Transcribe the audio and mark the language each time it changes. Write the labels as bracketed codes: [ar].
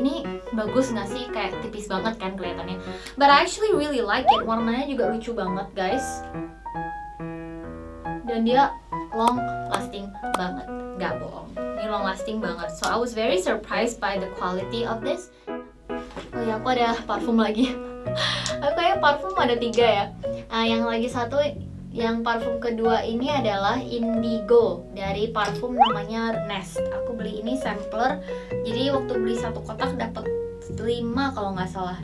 [id] Ini bagus nggak sih, kayak tipis banget kan kelihatannya. [en] But I actually really like it. [id] Warnanya juga lucu banget guys. Dan dia long lasting banget, nggak bohong. Ini long lasting banget. [en] So I was very surprised by the quality of this. [id] Oh ya, aku ada parfum lagi. Aku kayak parfum ada tiga ya. Yang lagi satu, yang parfum kedua ini adalah Indigo dari parfum namanya Nest. Aku beli ini sampler, jadi waktu beli satu kotak dapat 5 kalau nggak salah.